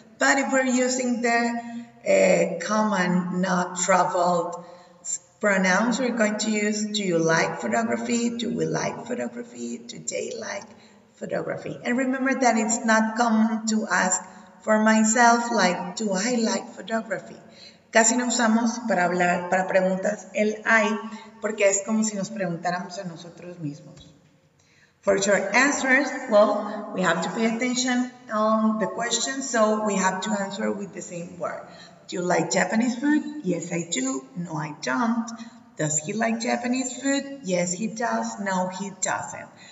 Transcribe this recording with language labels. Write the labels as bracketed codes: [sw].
[en] But if we're using the common not traveled pronouns, we're going to use do you like photography, do we like photography, do they like photography. And remember that it's not common to ask for myself, like do I like photography. [es] Casi no usamos para hablar, para preguntas, el I, porque es como si nos preguntáramos a nosotros mismos. [en] For your answers, well, we have to pay attention on the question, so we have to answer with the same word. Do you like Japanese food? Yes, I do. No, I don't. Does he like Japanese food? Yes, he does. No, he doesn't.